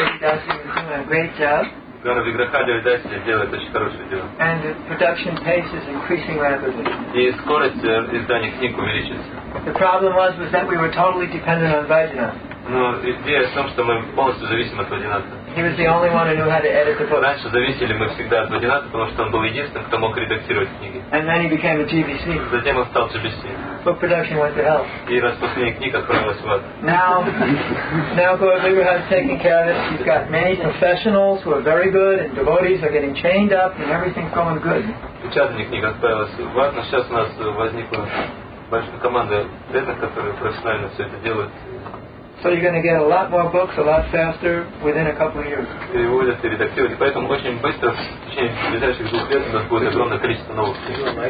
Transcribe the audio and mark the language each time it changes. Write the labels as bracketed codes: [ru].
[en] Devi Dasi is doing a great job. Lord Vigraha Devi Dasi [ru] делает очень хорошее дело. [en] And the production pace is increasing rapidly. [ru] И скорость издания книг увеличивается. [en] The problem was that we were totally dependent on Vajna. [ru] Но идея в том, что мы полностью зависим от Вадината. [en] He was the only one who knew how to edit the book. [ru] Раньше зависели мы всегда от Вадината, потому что он был единственным, кто мог редактировать книги. [en] And then he became a GBC. [ru] Затем он стал GBC. [en] Book production went to hell. [ru] И распространение книг отправилось в ад. [en] Now Gordon Liu has taken care of it. He's got many professionals who are very good, and devotees are getting chained up, and everything's going good. [ru] Печатание книг отправилось в ад, но сейчас у нас возникла большая команда преданных, которые профессионально все это делают. [en] So you're going to get a lot more books a lot faster within a couple of years. [ru] Переводят и редактируют, поэтому очень быстро в течение ближайших двух лет у нас будет огромное количество новых книг.